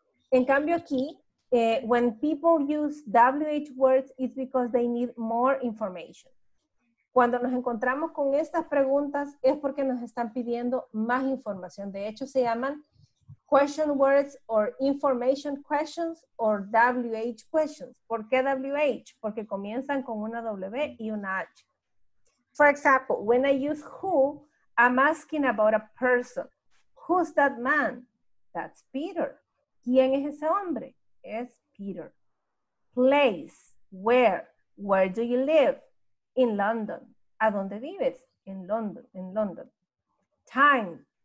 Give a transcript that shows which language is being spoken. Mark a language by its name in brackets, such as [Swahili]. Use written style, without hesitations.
[Spanish] En cambio aquí, [English] when people use WH words, it's because they need more information. [Spanish] Cuando nos encontramos con estas preguntas es porque nos están pidiendo más información. De hecho, se llaman [English] question words or information questions or WH questions. [Spanish] ¿Por qué WH? Porque comienzan con una W y una H. [English] For example, when I use who, I'm asking about a person. Who's that man? That's Peter. [Spanish] ¿Quién es ese hombre? Es Peter. [English] Place, where? Where do you live? In London. [Spanish] ¿A dónde vives? [English] In London. In London. Time.